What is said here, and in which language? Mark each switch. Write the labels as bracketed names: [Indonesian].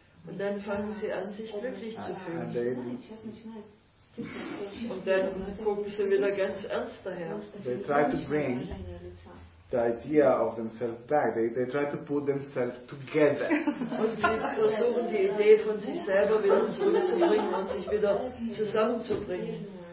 [German] Und dann fangen sie an, sich glücklich zu fühlen. [English] And they, [German] Und dann gucken sie wieder ganz ernst daher. [English] They try to bring the idea of themselves back. They try to put themselves together. [German] Und sie versuchen die Idee von sich selber wieder zurückzubringen und sich wieder zusammenzubringen.